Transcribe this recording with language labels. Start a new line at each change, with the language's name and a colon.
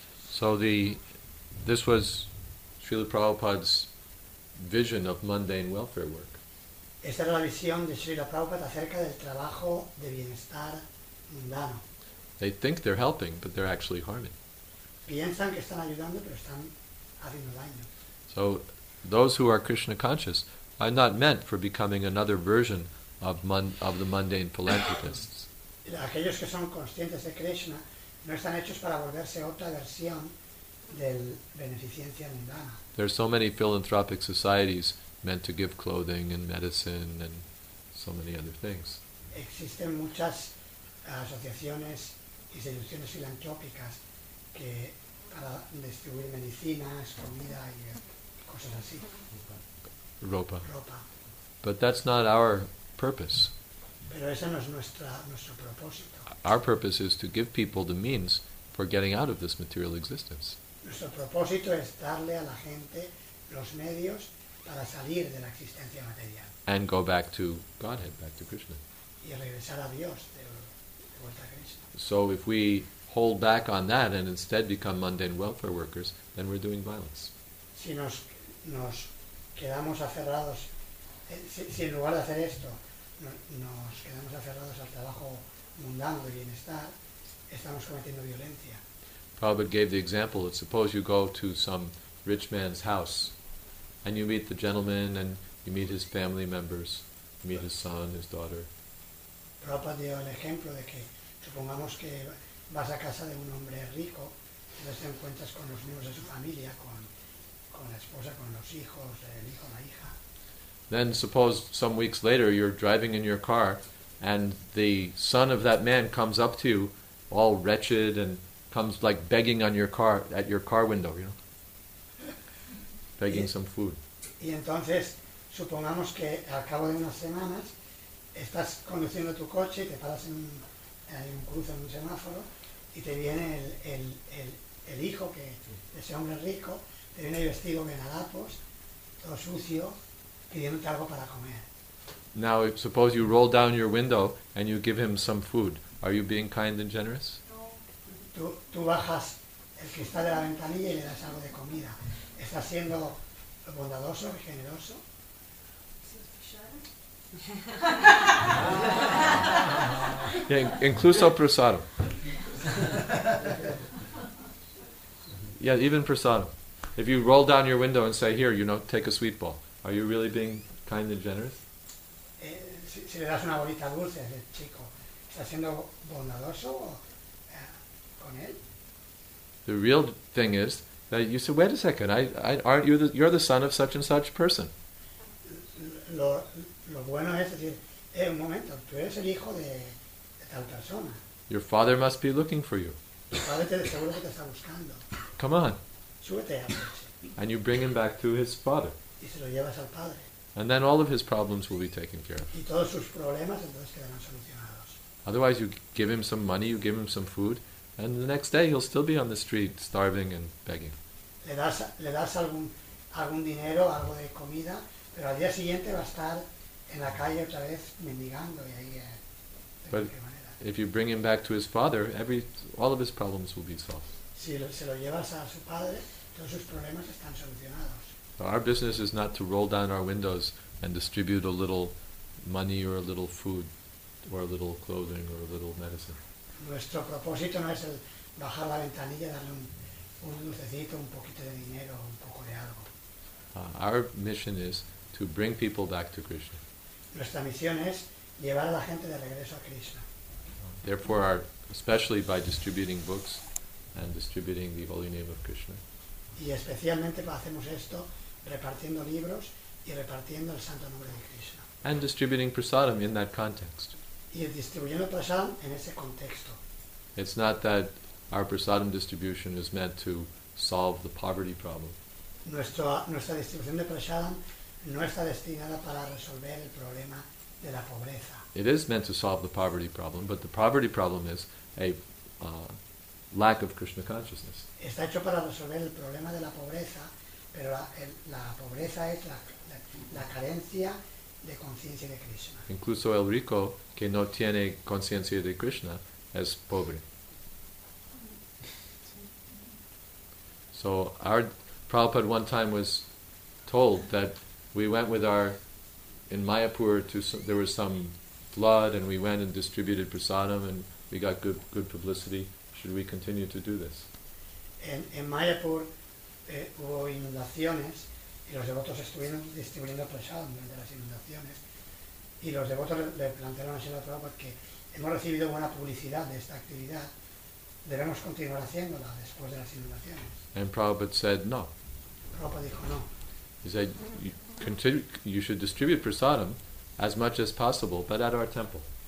English: So this was Srila Prabhupada's vision of mundane welfare work.
Spanish: Esta era la visión de Srila Prabhupada acerca del trabajo de bienestar mundano.
English: They think they're helping, but they're actually harming.
Spanish: Piensan que están ayudando, pero están haciendo daño.
English: So those who are Krishna conscious are not meant for becoming another version of the mundane philanthropists.
Spanish: Aquellos que son conscientes de Krishna no están hechos para volverse otra versión del beneficencia mundana.
English: There are so many philanthropic societies meant to give clothing and medicine and so many other things.
Spanish: Existen muchas asociaciones y instituciones filantrópicas que para distribuir medicinas, comida y cosas así. Ropa.
English: But that's not our purpose.
Spanish: Pero ese no es nuestro propósito.
English: Our purpose is to give people the means for getting out of this material existence.
Spanish: Nuestro propósito es darle a la gente los medios para salir de la existencia material.
English: And go back to Godhead, back to Krishna.
Spanish: Y regresar a Dios, de vuelta a Krishna.
English: So if we hold back on that and instead become mundane welfare workers, then we're doing violence.
Spanish: Si nos quedamos aferrados, si en lugar de hacer esto, nos quedamos aferrados al trabajo mundano de bienestar, estamos cometiendo violencia.
English: Prabhupada gave the example that suppose you go to some rich man's house and you meet the gentleman and you meet his family members, you meet his son, his daughter.
Spanish: Prabhupada dio el ejemplo de que supongamos que vas a casa de un hombre rico y te encuentras con los miembros de su familia, con la esposa, con los hijos, el hijo, la hija.
English: Then suppose some weeks later you're driving in your car and the son of that man comes up to you all wretched and comes like begging on your car, at your car window, you know, begging some food.
Spanish: Y entonces, supongamos que al cabo de unas semanas estás conduciendo tu coche y te paras en un cruce, en un semáforo, y te viene el hijo que ese hombre rico, te viene vestido de harapos, todo sucio, pidiéndote algo para comer.
English: Now, suppose you roll down your window and you give him some food. Are you being kind and generous?
Spanish: Tú bajas el cristal de la ventanilla y le das algo de comida. ¿Estás siendo bondadoso y generoso? Yeah, incluso prasado.
English: Yeah, even prasado. If you roll down your window and say, here, you know, take a sweet ball, are you really being kind and generous?
Spanish: Si le das una bolita dulce, el chico, ¿estás siendo bondadoso o...?
English: The real thing is that you say, wait a second, aren't you you're the son of such and such person.
Spanish: Lo bueno es decir, un momento, tú eres el hijo de tal persona.
English: Your father must be looking for you.
Spanish: Tu padre te seguro que te está buscando.
English: Come on.
Spanish: Súbete a coche.
English: And you bring him back to his father.
Spanish: Y se lo llevas al padre.
English: And then all of his problems will be taken care of.
Spanish: Y todos sus problemas entonces quedarán solucionados.
English: Otherwise you give him some money, you give him some food, and the next day he'll still be on the street starving and begging.
Spanish: Le das algún dinero, algo de comida, pero al día siguiente va a estar en la calle otra vez mendigando y ahí.
English: But if you bring him back to his father, all of his problems will be solved.
Spanish: Si se lo llevas a su padre, todos sus problemas están solucionados.
English: So our business is not to roll down our windows and distribute a little money or a little food or a little clothing or a little medicine.
Spanish: Nuestro propósito no es el bajar la ventanilla, darle un dulcecito, un poquito de dinero, un poco de algo.
English: Our mission is to bring people back to Krishna.
Spanish: Nuestra misión es llevar a la gente de regreso a Krishna.
English: Therefore, especially by distributing books and distributing the holy name of Krishna.
Spanish: Y especialmente hacemos esto repartiendo libros y repartiendo el santo nombre de Krishna.
English: And distributing prasadam in that context.
Spanish: y distribuyendo prasadam en ese contexto.
English: It's not that our prasadam distribution is meant to solve the poverty problem.
Spanish: Nuestra distribución de prasadam no está destinada para resolver el problema de la pobreza.
English: It is meant to solve the poverty problem, but the poverty problem is a lack of Krishna consciousness.
Spanish: Está hecho para resolver el problema de la pobreza, pero la pobreza es la carencia de conciencia de Krishna. Incluso el rico que no tiene conciencia de Krishna es pobre.
English: So our Prabhupada one time was told that we went with our in Mayapur to some, there was some flood and we went and distributed prasadam and we got good publicity. Should we continue to do this?
Spanish: En Mayapur hubo inundaciones y los devotos estuvieron distribuyendo prasadam durante las inundaciones y los devotos le plantearon a Srila Prabhupada que hemos recibido buena publicidad de esta actividad, debemos continuar haciéndola después de las inundaciones.
English: And Prabhupada said no.
Spanish: Prabhupada dijo no.
English: He said you should distribute prasadam as much as possible, but at our temple.